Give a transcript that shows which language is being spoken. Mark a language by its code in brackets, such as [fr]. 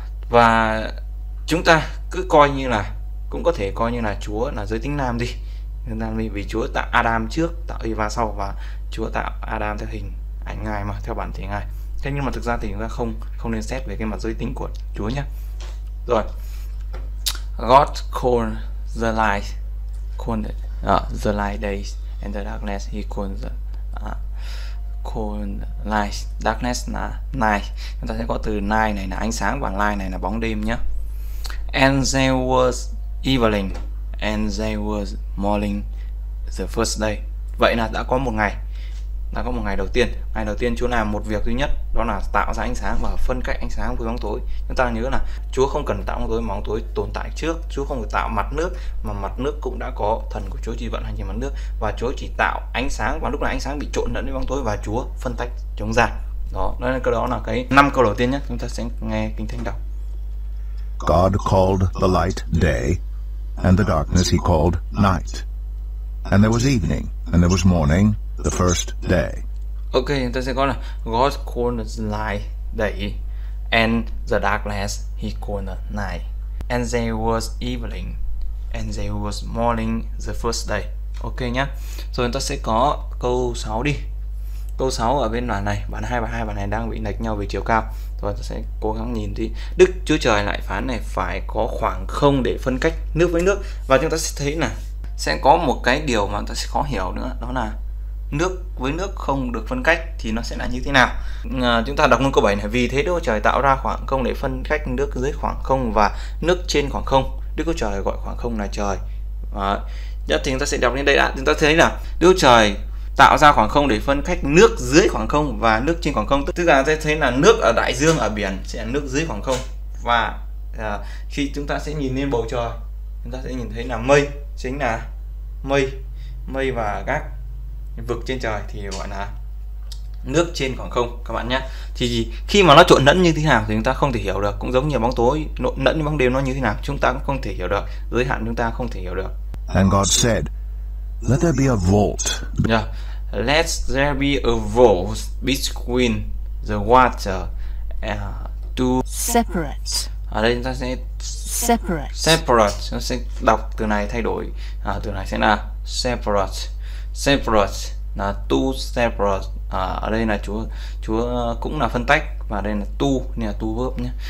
[vi] Và chúng ta cứ coi như là cũng có thể coi như là Chúa là giới tính nam đi. Vì Chúa tạo Adam trước, tạo Eva sau, và Chúa tạo Adam theo hình ảnh Ngài mà, theo bản thể Ngài. Thế nhưng mà thực ra thì chúng ta không không nên xét về cái mặt giới tính của Chúa nhé. Rồi. [en] God called the light, called the light days and the darkness he called light. Darkness là night. [vi] Chúng ta sẽ có từ night này là ánh sáng và light này là bóng đêm nhé. [en] And there was evening and there was morning the first day. [vi] Vậy là đã có một ngày. Đã có một ngày đầu tiên. Ngày đầu tiên Chúa làm một việc duy nhất, đó là tạo ra ánh sáng và phân cách ánh sáng với bóng tối. Chúng ta nhớ là Chúa không cần tạo bóng tối mà bóng tối tồn tại trước. Chúa không cần tạo mặt nước mà mặt nước cũng đã có thần của Chúa chỉ vận hành trên mặt nước. Và Chúa chỉ tạo ánh sáng và lúc này ánh sáng bị trộn lẫn với bóng tối và Chúa phân tách chúng ra. Đó, nên cái đó là cái năm câu đầu tiên nhé. Chúng ta sẽ nghe Kinh Thánh đọc. [en] God called the light day, and the darkness he called night. And there was evening, and there was morning, the first day. [vi] Ok, chúng ta sẽ có là [en] God called the light day, and the darkness he called night. And there was evening, and there was morning, the first day. [vi] Ok nhá. Rồi chúng ta sẽ có câu 6 đi. Câu 6 ở bên đoạn này, bản 2 và 2 bản này đang bị lệch nhau về chiều cao. Rồi ta sẽ cố gắng nhìn đi. Đức Chúa Trời lại phán này, phải có khoảng không để phân cách nước với nước. Và chúng ta sẽ thấy là sẽ có một cái điều mà ta sẽ khó hiểu nữa, đó là nước với nước không được phân cách thì nó sẽ là như thế nào. Chúng ta đọc luôn câu 7 này. Vì thế Đức Chúa Trời tạo ra khoảng không để phân cách nước dưới khoảng không và nước trên khoảng không. Đức Chúa Trời gọi khoảng không là trời. Đó. Nhất thì chúng ta sẽ đọc đến đây đã. Chúng ta thấy là Đức Chúa Trời tạo ra khoảng không để phân cách nước dưới khoảng không và nước trên khoảng không, tức là sẽ thấy là nước ở đại dương ở biển sẽ là nước dưới khoảng không, và khi chúng ta sẽ nhìn lên bầu trời chúng ta sẽ nhìn thấy là mây, chính là mây mây và các vực trên trời thì gọi là nước trên khoảng không các bạn nhé. Thì khi mà nó trộn lẫn như thế nào thì chúng ta không thể hiểu được, cũng giống như bóng tối trộn lẫn bóng đêm nó như thế nào chúng ta cũng không thể hiểu được, giới hạn chúng ta không thể hiểu được. [en] And God said, let there be a vault. Let there be a vault between the water to separate. [vi] Ở đây chúng ta sẽ [en] separate. Separate. [vi] Chúng ta sẽ đọc từ này thay đổi. Từ này sẽ là separate. Separate là to separate. Ở đây là Chúa cũng là phân tách, và đây là to, nên là to verb nhé.